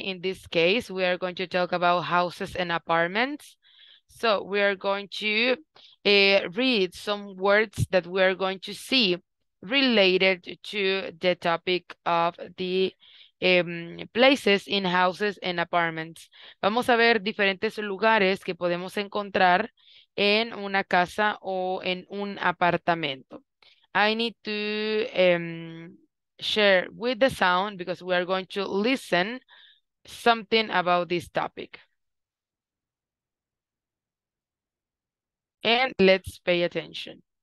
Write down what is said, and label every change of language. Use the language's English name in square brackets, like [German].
[English] In this case, we are going to talk about houses and apartments. So we are going to read some words that we are going to see related to the topic of the places in houses and apartments. [Spanish] Vamos a ver diferentes lugares que podemos encontrar en una casa o en un apartamento. [English] I need to... share with the sound because we are going to listen something about this topic. And let's pay attention.